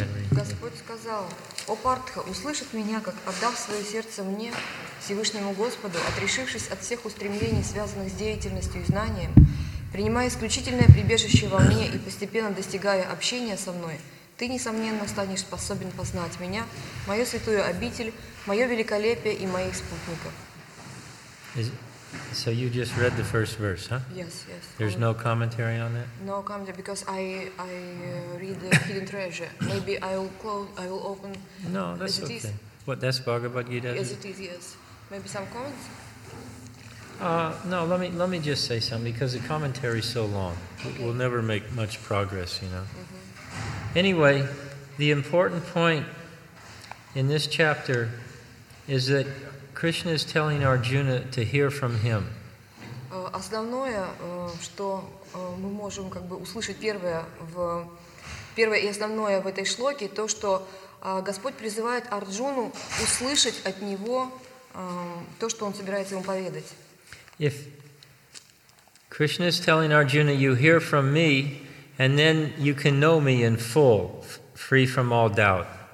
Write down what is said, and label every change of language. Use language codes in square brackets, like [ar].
[ru] Господь сказал: «О Партха, услышь от меня, как отдав свое сердце мне, Всевышнему Господу, отрешившись от всех устремлений, связанных с деятельностью и знанием, принимая исключительное прибежище во мне и постепенно достигая общения со мной, ты, несомненно, станешь способен познать меня, мою святую обитель, мое великолепие и моих спутников». [en] So you just read the first verse, huh? Yes, yes. There's no commentary on that? No commentary, because I read the Hidden Treasure. Maybe I will open. No, that's okay. What, that's Bhagavad Gita? Yes, it is, yes. Maybe some comments? No, let me just say something, because the commentary is so long. Okay. We'll never make much progress, you know. Mm-hmm. Anyway, the important point in this chapter is that Krishna is telling Arjuna to hear from him. [ru] Основное, что мы можем как бы услышать первое и основное в этой шлоке, то, что Господь призывает Арджуну услышать от него то, что он собирается ему поведать. [en] If Krishna is telling Arjuna, you hear from me, and then you can know me in full, free from all doubt.